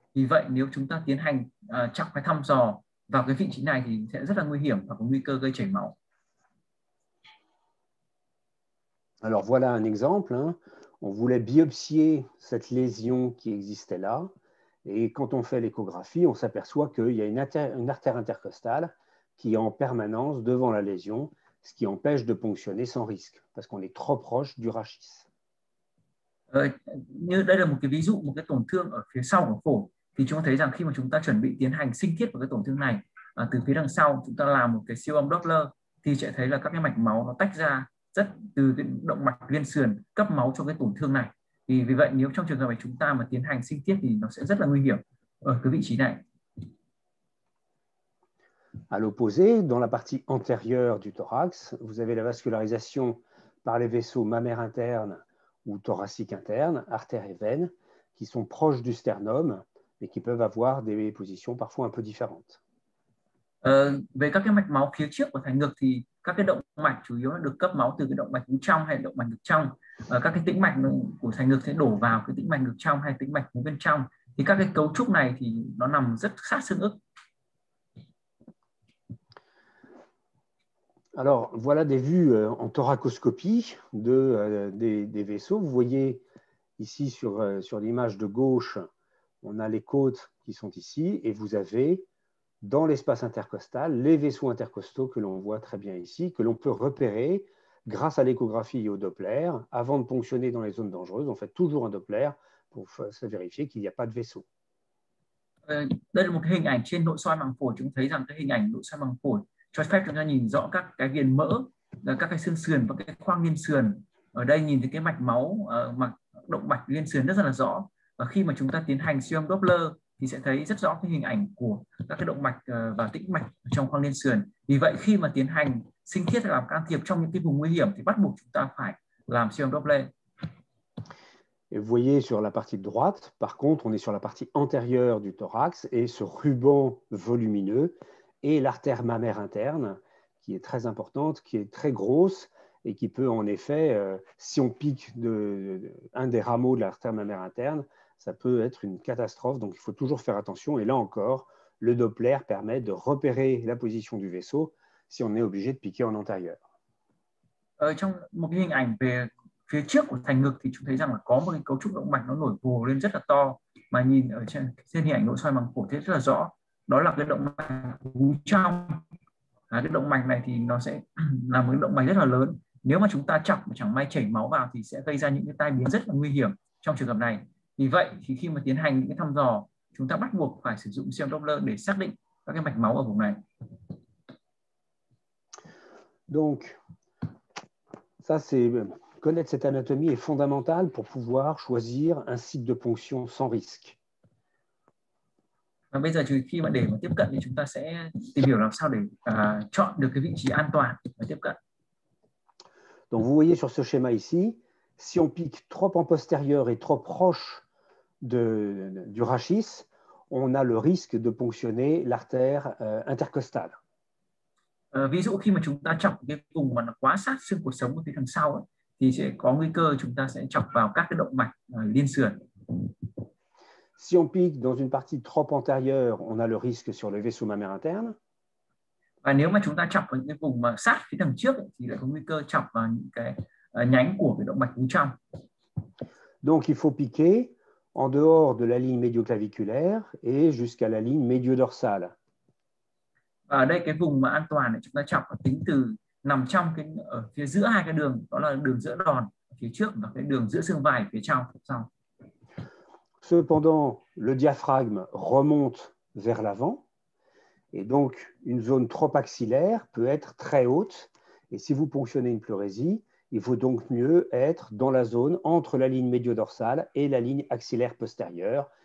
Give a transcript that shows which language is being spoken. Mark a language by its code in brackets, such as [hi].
[vi] Vì vậy nếu chúng ta tiến hành chọc cái thăm dò vào cái vị trí này thì sẽ rất là nguy hiểm và có nguy cơ gây chảy máu. [fr] Alors voilà un exemple, hein. On voulait biopsier cette lésion qui existait là, et quand on fait l'échographie, on s'aperçoit qu'il y a une artère intercostale qui est en permanence devant la lésion, ce qui empêche de ponctionner sans risque, parce qu'on est trop proche du rachis. [vi] Như đây là một cái ví dụ một cái tổn thương ở phía sau của phổi thì chúng ta thấy rằng khi mà chúng ta chuẩn bị tiến hành sinh thiết của cái tổn thương này từ phía đằng sau chúng ta làm một cái siêu âm Doppler thì sẽ thấy là các cái mạch máu nó tách ra rất từ cái động mạch liên sườn cấp máu cho cái tổn thương này thì vì vậy nếu trong trường hợp này chúng ta mà tiến hành sinh thiết thì nó sẽ rất là nguy hiểm ở cái vị trí này. [fr] À l'opposé, dans la partie antérieure du thorax, vous avez la vascularisation par les vaisseaux mammaires internes ou thoraciques internes, artères et veines, qui sont proches du sternum et qui peuvent avoir des positions parfois un peu différentes. [vi] Về các cái mạch máu phía trước và thành ngực thì các cái động mạch chủ yếu là được cấp máu từ cái động mạch ngực trong hay động mạch ngực trong. Các cái tĩnh mạch của thành ngực sẽ đổ vào cái tĩnh mạch ngực trong hay tĩnh mạch ngực bên trong thì các cái cấu trúc này thì nó nằm rất sát xương ức. [fr] Alors, voilà des vues en thoracoscopie des vaisseaux. Vous voyez ici sur l'image de gauche, on a les côtes qui sont ici et vous avez dans l'espace intercostal les vaisseaux intercostaux que l'on voit très bien ici, que l'on peut repérer grâce à l'échographie et au Doppler. Avant de ponctionner dans les zones dangereuses, on fait toujours un Doppler pour se vérifier qu'il n'y a pas de vaisseau. [vi] Đây là một cái hình ảnh trên nội soi màng phổi. Chúng thấy rằng cái hình ảnh nội soi màng phổi cho phép chúng ta nhìn rõ các cái viền mỡ, các cái xương sườn và cái khoang liên sườn. Ở đây nhìn thấy cái mạch máu, mạch động mạch liên sườn rất là rõ. Và khi mà chúng ta tiến hành siêu âm Doppler thì sẽ thấy rất rõ cái hình ảnh của các cái động mạch và tĩnh mạch trong khoang liên sườn. Vì vậy khi mà tiến hành sinh thiết hay làm can thiệp trong những cái vùng nguy hiểm thì bắt buộc chúng ta phải làm siêu âm Doppler. [fr] Et vous voyez sur la partie droite, par contre, on est sur la partie antérieure du thorax et ce ruban volumineux et l'artère mammaire interne qui est très importante, qui est très grosse et qui peut en effet, si on pique un des rameaux de l'artère mammaire interne, ça peut être une catastrophe. Donc il faut toujours faire attention. Et là encore, le Doppler permet de repérer la position du vaisseau si on est obligé de piquer en antérieur. [vi] Ở trong một cái hình ảnh về phía trước của thành ngực thì chúng thấy rằng là có một cái cấu trúc động mạch nó nổi bồ lên rất là to mà nhìn ở trên hình ảnh nội soi màng phổi thấy rất là rõ đó là cái động mạch ngực trong cái động mạch này thì nó sẽ là một cái động mạch rất là lớn nếu mà chúng ta chọc mà chẳng may chảy máu vào thì sẽ gây ra những cái tai biến rất là nguy hiểm trong trường hợp này vì vậy thì khi mà tiến hành những cái thăm dò chúng ta bắt buộc phải sử dụng siêu Doppler để xác định các cái mạch máu ở vùng này. [fr] Donc, ça c'est connaître cette anatomie est fondamental pour pouvoir choisir un site de ponction sans risque. [vi] Và bây giờ khi mà để mà tiếp cận thì chúng ta sẽ tìm hiểu làm sao để chọn được cái vị trí an toàn và tiếp cận. [fr] Donc vous voyez sur ce schéma ici, si on pique trop en postérieur et trop proche du rachis, on a le risque de ponctionner l'artère intercostale. [vi] Ví dụ khi mà chúng ta chọc cái vùng mà nó quá sát xương cột sống phía đằng sau ấy, thì sẽ có nguy cơ chúng ta sẽ chọc vào các cái động mạch liên sườn. [fr] Si on pique dans une partie trop antérieure, on a le risque sur le vaisseau mammaire interne. [vi] Và nếu mà chúng ta chọc vào những cái vùng mà sát cái đằng trước ấy, thì lại có nguy cơ chọc vào những cái nhánh của cái động mạch vú trong. [fr] Donc, il faut piquer en dehors de la ligne médioclaviculaire et jusqu'à la ligne médio-dorsale. [vi] Và ở đây cái vùng mà an toàn là chúng ta chọc tính từ nằm trong cái ở phía giữa hai cái đường, đó là đường giữa đòn phía trước và cái đường giữa xương vai phía trong sau. [fr] Cependant, le diaphragme remonte vers l'avant et donc une zone trop axillaire peut être très haute. Et si vous ponctionnez une pleurésie, il vaut donc mieux être dans la zone entre la ligne médio-dorsale et la ligne axillaire postérieure.